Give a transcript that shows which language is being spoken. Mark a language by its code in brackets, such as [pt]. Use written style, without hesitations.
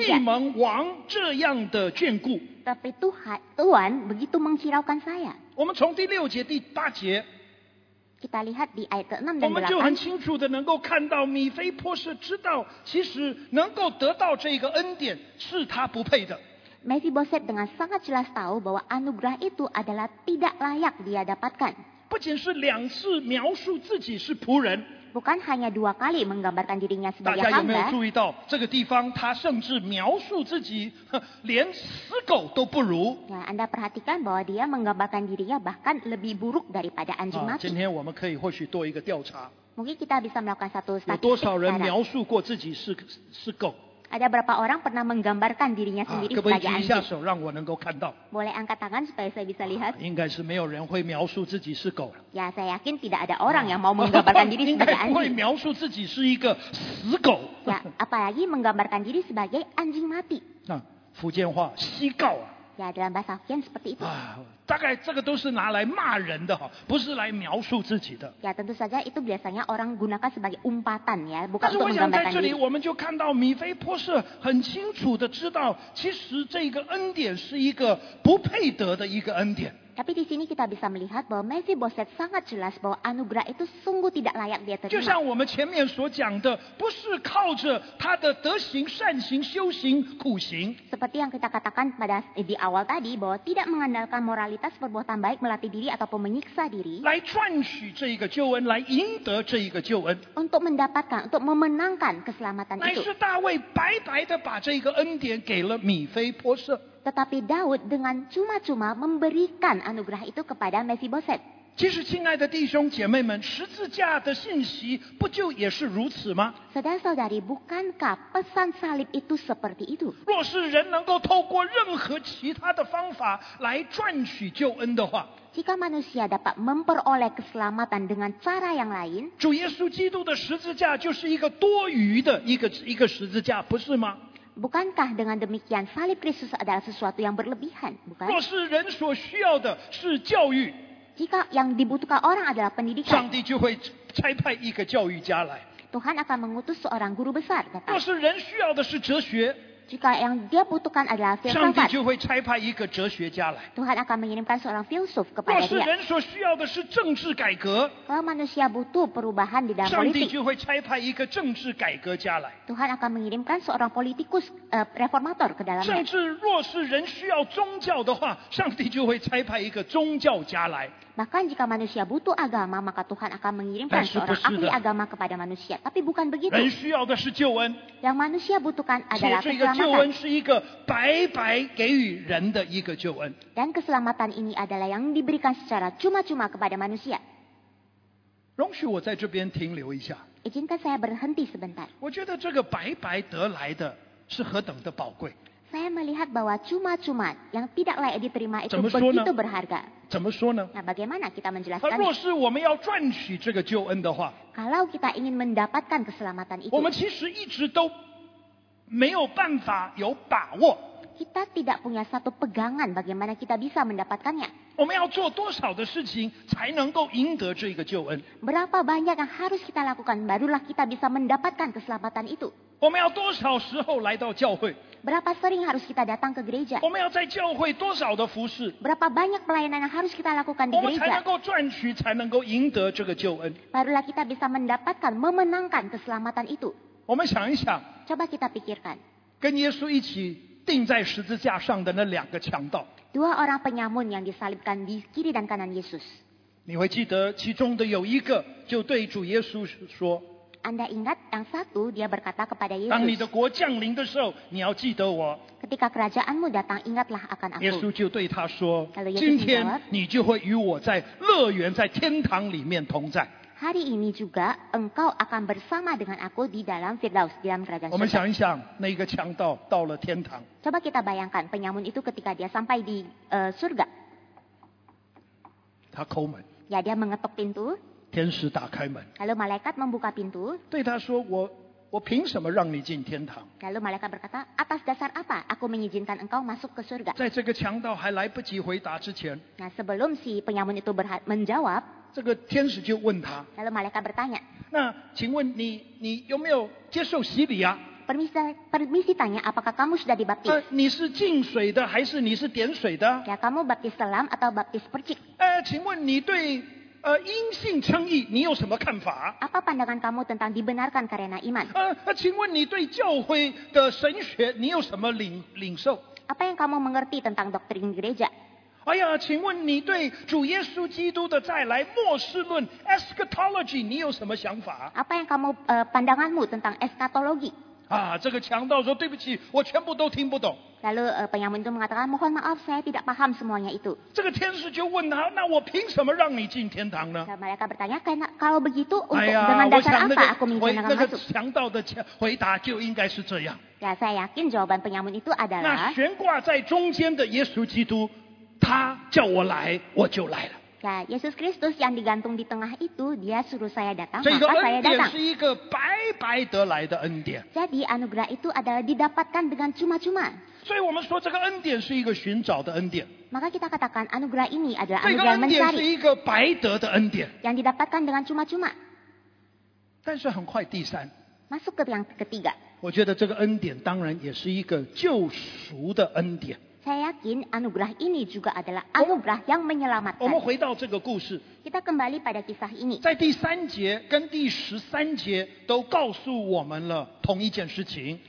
[zh] 既蒙王这样的眷顾。 [id] Tapi Tuhan begitu menghiraukan saya. [zh] 我们从第六节、第八节。 [id] Kita lihat di ayat ke-6 dan 8, [zh] 我们就很清楚的能够看到米非波设知道其实能够得到这个恩典是他不配的。 [id] Mephibosheth dengan sangat jelas tahu bahwa anugerah itu adalah tidak layak dia dapatkan. [zh] 不仅是两次描述自己是仆人。 [id] Bukan hanya dua kali menggambarkan dirinya sebagai hamba. [zh] 大家有没有注意到这个地方他甚至描述自己连死狗都不如。 [id] Nah, anda perhatikan bahwa dia menggambarkan dirinya bahkan lebih buruk daripada anjing mati. [zh] 今天我们可以或许多一个调查。 [id] Mungkin kita bisa melakukan satu statistik. [zh] 有多少人描述过自己是狗？ [id] Ada berapa orang pernah menggambarkan dirinya sendiri sebagai anjing? [zh] 可不可以举一下手让我能够看到？ [id] Boleh angkat tangan supaya saya bisa lihat. [zh] 应该是没有人会描述自己是狗。 [id] Ya, saya yakin tidak ada orang yang mau menggambarkan diri sebagai anjing. [zh] 应该不会描述自己是一个死狗。 [id] Ya, apalagi menggambarkan diri sebagai anjing mati. [zh] 那福建话西狗啊。 [id] Ya, dalam bahasa Hokkien seperti itu. [zh] 大概这个都是拿来骂人的，不是来描述自己的。 [id] Ya, tentu saja itu biasanya orang gunakan sebagai umpatan ya, bukan untuk menggambarkan diri. [zh] 但是我想在这里我们就看到米非波设很清楚的知道，其实这个恩典是一个不配得的一个恩典。 [id] Tapi di sini kita bisa melihat bahwa Mephibosheth sangat jelas bahwa anugerah itu sungguh tidak layak dia terima. [zh] 就像我们前面所讲的，不是靠着他的德行、善行、修行、苦行。 [id] Seperti yang kita katakan pada di awal tadi bahwa tidak mengandalkan moralitas perbuatan baik melatih diri ataupun menyiksa diri. [zh] 来赚取这一个救恩，来赢得这一个救恩。 [id] Untuk mendapatkan, untuk memenangkan keselamatan itu. [zh] 乃是大卫白白的把这一个恩典给了米非波设。 [id] Tetapi Daud dengan cuma-cuma memberikan anugerah itu kepada Mephibosheth. [zh] 其实，亲爱的弟兄姐妹们，十字架的信息不就也是如此吗？ [id] Saudara-saudari, bukankah pesan salib itu seperti itu? [zh] 若是人能够透过任何其他的方法来赚取救恩的话， [id] jika manusia dapat memperoleh keselamatan dengan cara yang lain, [zh] 主耶稣基督的十字架就是一个多余的一个十字架，不是吗？ [id] Bukankah dengan demikian salib Kristus adalah sesuatu yang berlebihan, bukan? [zh] 若是人所需要的是教育， [id] jika yang dibutuhkan orang adalah pendidikan, [zh] 上帝就会差派一个教育家来。 [id] Tuhan akan mengutus seorang guru besar, kata. [zh] 若是人需要的是哲学， [id] jika yang dia butuhkan adalah filsafat, [zh] 上帝就会差派一个哲学家来。 [id] Tuhan akan mengirimkan seorang filsuf kepada dia. [zh] 若是人所需要的是政治改革， [id] kalau manusia butuh perubahan di dalam politik, [zh] 上帝就会差派一个政治改革家来。 [id] Tuhan akan mengirimkan seorang politikus reformator ke dalam. [zh] 甚至若是人需要宗教的话，上帝就会差派一个宗教家来。 [id] Bahkan jika manusia butuh agama, maka Tuhan akan mengirimkan seorang ahli agama kepada manusia. Tapi bukan begitu. [zh] 人需要的是救恩。 [id] Yang manusia butuhkan adalah keselamatan. [zh] 这个救恩是一个白白给予人的一个救恩。 [id] Dan keselamatan ini adalah yang diberikan secara cuma-cuma kepada manusia. [zh] 容许我在这边停留一下。 [id] Izinkan saya berhenti sebentar. [zh] 我觉得这个白白得来的是何等的宝贵。 [id] Saya melihat bahwa cuma-cuma yang tidak layak diterima itu begitu berharga. [zh] 怎么说呢？ [id] Nah, bagaimana kita menjelaskan? [zh] 若是我们要赚取这个救恩的话， [id] kalau kita ingin mendapatkan keselamatan itu, [zh] 我们其实一直都没有办法有把握。 [id] Kita tidak punya satu pegangan bagaimana kita bisa mendapatkannya. [zh] 我们要做多少的事情才能够赢得这个救恩？ [id] Berapa banyak yang harus kita lakukan barulah kita bisa mendapatkan keselamatan itu? [zh] 我们要多少时候来到教会？ [id] Berapa sering harus kita datang ke gereja? [zh] 我们要在教会多少的服事？ [id] Berapa banyak pelayanan yang harus kita lakukan di gereja? [zh] 我们才能够赚取，才能够赢得这个救恩。 [id] Barulah kita bisa mendapatkan, memenangkan keselamatan itu. [zh] 我们想一想。 [id] Coba kita pikirkan. [zh] 跟耶稣一起钉在十字架上的那两个强盗。 [id] Dua orang penyamun yang disalibkan di kiri dan kanan Yesus. [zh] 你会记得其中的有一个就对主耶稣说。 [id] Anda ingat yang satu dia berkata kepada Yesus. [zh] 当你的国降临的时候，你要记得我。 [id] Ketika kerajaanmu datang, ingatlah akan aku. [zh] 耶稣就对他说， [id] Lalu Yesus [zh] 今天你就会与我在乐园，在天堂里面同在。 [id] Hari ini juga engkau akan bersama dengan aku di dalam Firdaus, di dalam kerajaan. [zh] 我们想一想，那个强盗到了天堂。 [id] Coba kita bayangkan penyamun itu ketika dia sampai di surga. [zh] 他叩门。 [id] Ya, dia mengetuk pintu. [zh] 天使打开门。 [id] Lalu malaikat membuka pintu. [zh] 对他说，我凭什么让你进天堂？ [id] Lalu malaikat berkata, atas dasar apa aku mengizinkan engkau masuk ke surga? [zh] 在这个强盗还来不及回答之前。 [id] Nah, sebelum si penyamun itu menjawab. [zh] 这个天使就问他。 [id] Lalu malaikat bertanya. [zh] 那请问你有没有接受洗礼啊？ [id] Permisi tanya, apakah kamu sudah dibaptis? [zh] 你是浸水的还是你是点水的？ [id] Ya, kamu baptis selam atau baptis percik? [zh] 请问你对因信称义，你有什么看法？ [id] Apa pandangan kamu tentang dibenarkan karena iman? [zh] 请问你对教会的神学，你有什么领受？ [id] Apa yang kamu mengerti tentang doktrin gereja? [zh] 哎呀，请问你对主耶稣基督的再来末世论 eschatology， 你有什么想法？ [id] Apa yang kamu pandanganmu tentang eschatologi？ [zh] 啊，这个强盗说对不起，我全部都听不懂。 [id] Lalu penyamun itu mengatakan, mohon maaf, saya tidak paham semuanya itu. [zh] 这个天使就问他，那我凭什么让你进天堂呢？那 [id] malaikat bertanya, kalau begitu, dengan dasar apa aku mengizinkan masuk? [zh] 那个强盗的回答就应该是这样。 [id] Ya, saya yakin jawaban penyamun itu adalah. [zh] 那悬挂在中间的耶稣基督，他叫我来，我就来了。 [id] Ya, Yesus Kristus yang digantung di tengah itu, dia suruh saya datang, maka saya datang. [zh] 是一个白白得来的恩典。 [id] Jadi anugerah itu adalah didapatkan dengan cuma-cuma. [zh] 所以我们说这个恩典是一个寻找的恩典。 [id] Maka kita katakan anugerah ini adalah anugerah mencari. [zh] 这个恩典是一个白得的恩典。 [id] Yang didapatkan dengan cuma-cuma. [zh] 但是很快第三。 [id] Masuk ke yang ketiga. [zh] 我觉得这个恩典当然也是一个救赎的恩典。 [id] Saya yakin anugerah ini juga adalah anugerah yang menyelamatkan. [zh] 我们回到这个故事。 [id] Kita kembali pada kisah ini. [zh] 在第三节跟第十三节都告诉我们了同一件事情。